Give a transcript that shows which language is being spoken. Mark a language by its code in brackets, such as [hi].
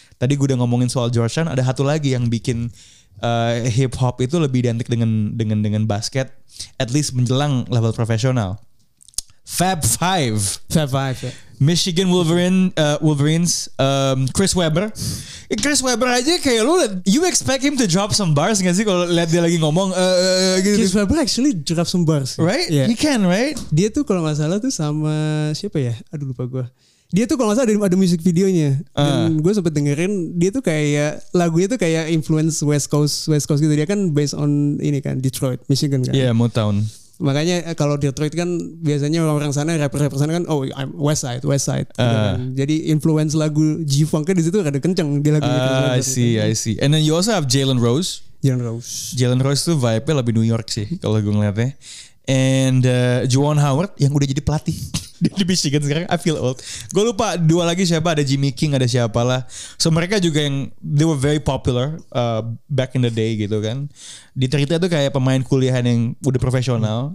[id] Tadi gue udah ngomongin soal Jordan, ada satu lagi yang bikin hip hop itu lebih identik dengan basket, [en] at least [id] menjelang level profesional. Fab Five. Fab Five, ya. Michigan Wolverine, Wolverines, Chris Webber. Chris Webber aja kayak lu, [en] you expect him to drop some bars [id] gak sih kalau liat dia lagi ngomong? Gitu. [en] Chris Webber actually drop some bars. Right? Yeah. He can, right? [id] Dia tuh kalau gak salah tuh sama siapa ya? Aduh lupa gue. Dia tuh kalau gak salah ada music videonya. Dan gue sempet dengerin, dia tuh kayak, lagunya tuh kayak influence West Coast gitu. Dia kan based on ini kan, Detroit, Michigan kan. Iya, yeah, Motown. Makanya kalau Detroit kan biasanya orang-orang sana, rapper-rapper sana kan, [en] oh I'm West Side. [id] Kan? Jadi influence lagu G-Funk-nya di situ ada kenceng di lagu [en] I see. And then you also have Jalen Rose. [id] Jalen Rose tuh vibe-nya lebih New York sih kalau gue ngeliatnya. And Juwan Howard yang udah jadi pelatih di Michigan sekarang, [en] I feel old. [id] Gue lupa dua lagi siapa, ada Jimmy King, ada siapalah. [en] So [id] mereka juga yang, [en] they were very popular back in the day [id] gitu kan. Di cerita itu kayak pemain kuliahan yang udah profesional.